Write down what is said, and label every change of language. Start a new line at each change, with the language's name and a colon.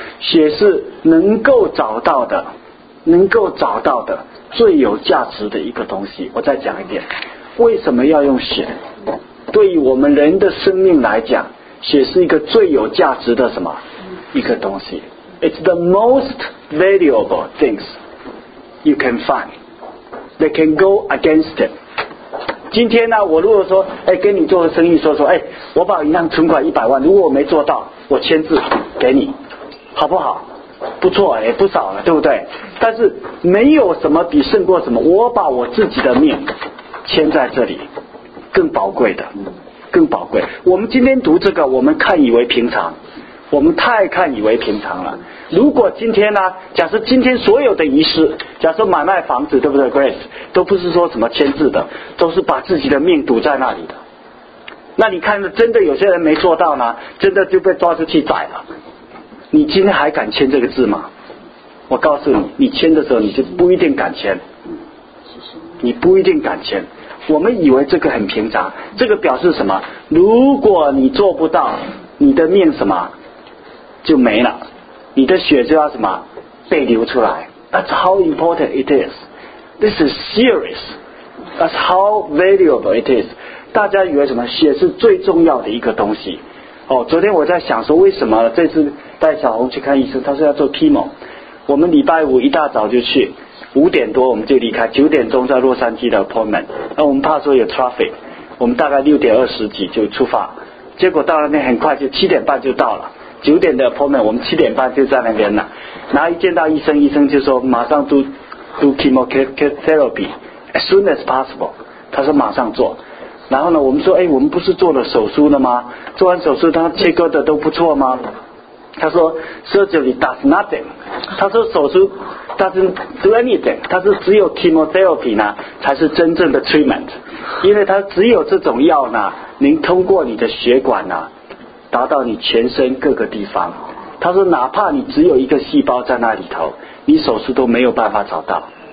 Chinese: 血是能够找到的，能够找到的最有价值的一个东西。我再讲一遍，为什么要用血？对于我们人的生命来讲，血是一个最有价值的什么一个东西。
English: It's the most valuable things you can find that can go against it.
Chinese: 今天呢、啊，我如果说，哎，跟你做个生意，说说，哎，我把银行存款100万，如果我没做到，我签字给你，好不好？不错，也不少了，对不对？但是没有什么比胜过什么，我把我自己的命签在这里，更宝贵的，更宝贵。我们今天读这个，我们看以为平常，我们太看以为平常了。如果今天呢、啊，假设今天所有的仪式，假设买卖房子，对不对 ，Grace？都不是说什么签字的，都是把自己的命赌在那里的。那你看，真的有些人没做到呢，真的就被抓出去宰了。你今天还敢签这个字吗？我告诉你，你签的时候你就不一定敢签，你不一定敢签。我们以为这个很平常，这个表示什么？如果你做不到，你的命什么就没了，你的血就要什么被流出来。
English: That's how important it is. This is serious. That's how valuable it is.
Chinese: 大家以为什么血是最重要的一个东西哦，昨天我在想说，为什么这次带小红去看医生，他说要做 chemo。我们礼拜五一大早就去，5点多我们就离开，9点钟在洛杉矶的 appointment。那我们怕说有 traffic， 我们大概6:20就出发，结果到那边很快就7:30就到了，九点的 appointment， 我们7:30就在那边了。然后一见到医生，医生就说马上
English: do chemotherapy as soon as possible，
Chinese: 他说马上做。然后呢，我们说，哎，我们不是做了手术了吗？做完手术，他切割的都不错吗？
English: 他说 ，surgery does nothing。
Chinese: 他说手术
English: doesn't do anything。
Chinese: 他说只有 chemotherapy 呢，才是真正的 treatment。因为他只有这种药呢，能通过你的血管呢，达到你全身各个地方。他说，哪怕你只有一个细胞在那里头，你手术都没有办法找到。